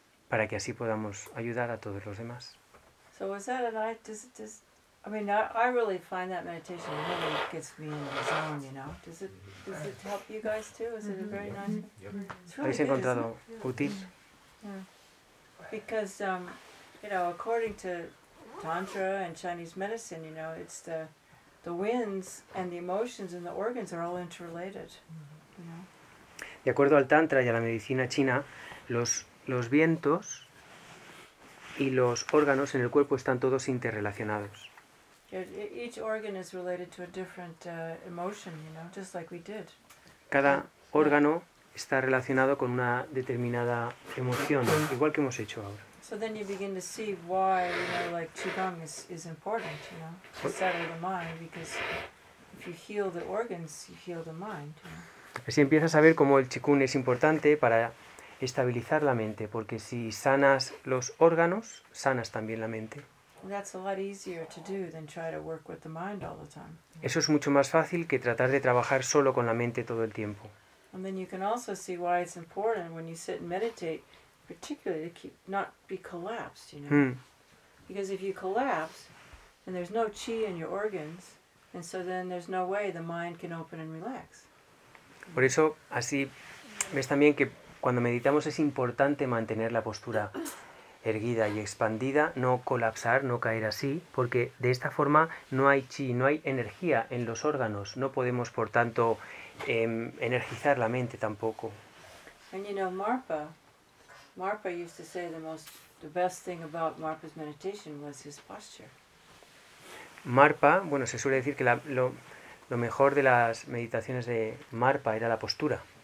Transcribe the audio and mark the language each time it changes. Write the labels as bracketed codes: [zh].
[es] Para que así podamos ayudar a todos los demás. [en] So was that a night? I really find that meditation really gets me in the zone, you know. Does it help you guys too? Is it a very nice? Yeah. It's really [es] ¿Habéis encontrado útil? [en] Yeah. Because you know, according to Tantra and Chinese medicine, you know, it's the winds and the emotions and the organs are all interrelated. You know? [es] De acuerdo al Tantra y a la medicina china, los vientos y los órganos en el cuerpo están todos interrelacionados. [en] Each organ is related to a different emotion, you know, just like we did. [es] Cada órgano está relacionado con una determinada emoción, igual que hemos hecho ahora. [en] So then you begin to see why, you know, like qigong is important, you know, to settle the mind, because if you heal the organs, you heal the mind. [es] Así empiezas a ver cómo el qigong es importante para estabilizar la mente, porque si sanas los órganos, sanas también la mente. [en] That's a lot easier to do than try to work with the mind all the time. [es] Eso es mucho más fácil que tratar de trabajar solo con la mente todo el tiempo. [en] And then you can also see why it's important when you sit and meditate, particularly to keep not be collapsed, you know. Mm. Because if you collapse, and there's no qi in your organs, and so then there's no way the mind can open and relax. [es] Por eso, así ves también que cuando meditamos es importante mantener la postura erguida y expandida, no colapsar, no caer así, porque de esta forma no hay chi, no hay energía en los órganos, no podemos por tanto energizar la mente tampoco. [en] And you know, Marpa used to say the best thing about Marpa's meditation was his posture. [es] Marpa, bueno, se suele decir que lo mejor de las meditaciones de Marpa era la postura.